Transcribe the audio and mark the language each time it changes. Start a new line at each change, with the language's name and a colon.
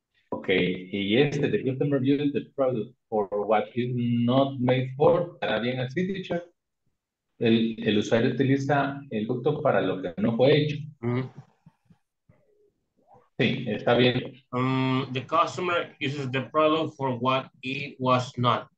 English: Okay, yes, the customer uses the product for what is not made for.
Spanish: ¿Está bien así, teacher? El usuario utiliza el producto para lo que no fue hecho. Mm-hmm. Sí, está bien.
English: The customer uses the product for what it was not.